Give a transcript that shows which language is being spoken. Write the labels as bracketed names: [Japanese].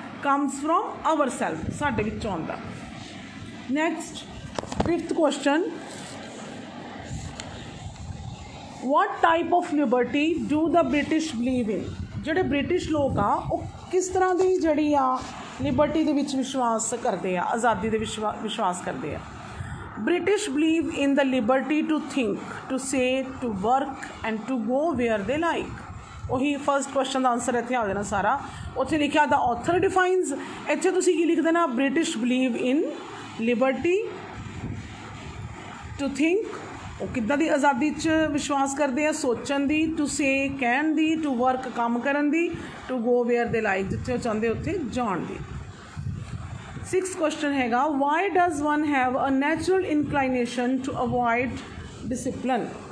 [English] comes from our self, [Punjabi] ਸਾਡੇ ਵਿੱਚੋਂ ਆਉਂਦਾ। [English] Next fifth question, what type of liberty do the British believe in? [Punjabi] ਜਿਹੜੇ British ਲੋਕ ਆ ਉਹ ਕਿਸ ਤਰ੍ਹਾਂ ਦੀ ਜਿਹੜੀ ਆ ਲਿਬਰਟੀ ਦੇ ਵਿੱਚ ਵਿਸ਼ਵਾਸ ਕਰਦੇ ਆ, ਆਜ਼ਾਦੀ ਦੇ ਵਿਸ਼ਵਾਸ ਕਰਦੇ ਆ? [English] British believe in the liberty to think, to say, to work and to go where they like. [Punjabi] ਉਹੀ ਫਸਟ ਕੁਐਸਚਨ ਦਾ ਆਨਸਰ ਇੱਥੇ ਆ ਜਾਣਾ ਸਾਰਾ ਉੱਥੇ ਲਿਖਿਆ [English] ਦਾ author defines [Punjabi] ਇੱਥੇ ਤੁਸੀਂ ਕੀ ਲਿਖ ਦੇਣਾ [English] British believe in liberty to think [Punjabi] ਉਹ ਕਿੱਦਾਂ ਦੀ ਆਜ਼ਾਦੀ 'ਚ ਵਿਸ਼ਵਾਸ ਕਰਦੇ ਆ ਸੋਚਣ ਦੀ [English] to say [Punjabi] ਕਹਿਣ ਦੀ [English] to work [Punjabi] ਕੰਮ ਕਰਨ ਦੀ [English] to go where they like [Punjabi] ਜਿੱਥੇ ਉਹ ਚਾਹੁੰਦੇ ਉੱਥੇ ਜਾਣ ਦੀ ਸਿਕਸ ਕੁਐਸਚਨ ਹੈਗਾ [English] why does one have a natural inclination to avoid discipline